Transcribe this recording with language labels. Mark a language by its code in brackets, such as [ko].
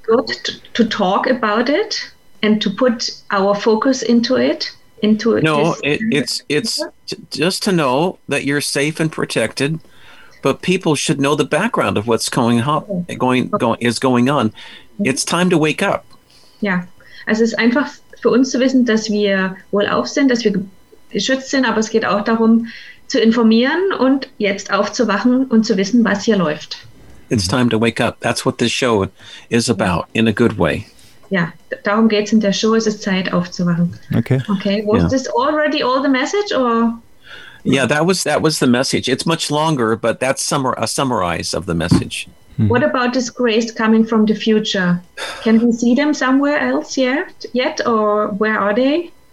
[en] Good to talk about it and to put our focus into it? No, it's just to know that you're safe and protected, but people should know the background of what's going on. It's time to wake up. [de] Ja, also es ist einfach für uns zu wissen, dass wir wohlauf sind, dass wir geschützt sind, aber es geht auch darum, zu informieren und jetzt aufzuwachen und zu wissen, was hier läuft. [en] It's time to wake up. That's what this show is about, in a good way. [de] Ja, darum geht es in der Show, es ist Zeit aufzuwachen. [en] Okay. Was this already all the message or? Yeah, that was the message. It's much longer, but that's a summarize of the message. Mm-hmm. What about this grace coming from the future? Can we see them somewhere else yet or where are they?